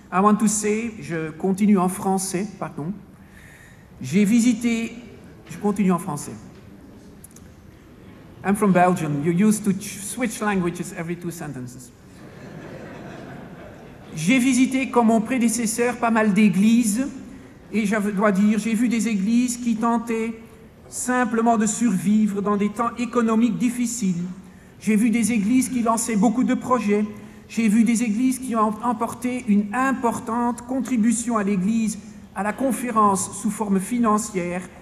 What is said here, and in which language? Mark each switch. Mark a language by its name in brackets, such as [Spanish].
[English] I want to say, [French] je continue en français, pardon. J'ai visité Je continue en français. [English] I'm from Belgium. You used to switch languages every two sentences. [French] J'ai visité, comme mon prédécesseur, pas mal d'églises, et je dois dire, j'ai vu des églises qui tentaient simplement de survivre dans des temps économiques difficiles. J'ai vu des églises qui lançaient beaucoup de projets. J'ai vu des églises qui ont emporté une importante contribution à l'église, à la conférence sous forme financière.